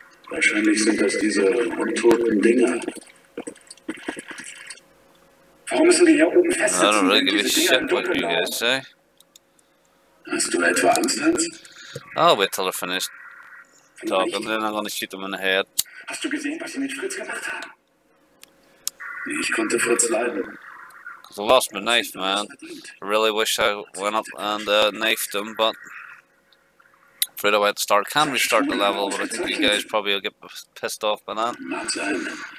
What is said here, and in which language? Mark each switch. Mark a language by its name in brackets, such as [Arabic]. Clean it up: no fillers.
[German] Wahrscheinlich sind das diese untoten Dinger. Warum müssen wir hier oben festsitzen? [English] I don't really give a shit what you guys say. [German] Hast du etwa Angst, Hans? [English] I'll wait till they're finished talking, then I'm gonna shoot them in the head. [German] Hast du gesehen, was sie mit Fritz gemacht haben? Ich konnte Fritz leiden. [English] Cause I lost my knife, man. I really wish I went up and knifed him, but afraid I went to start. Can restart the level, but I think you guys probably will get pissed off by that.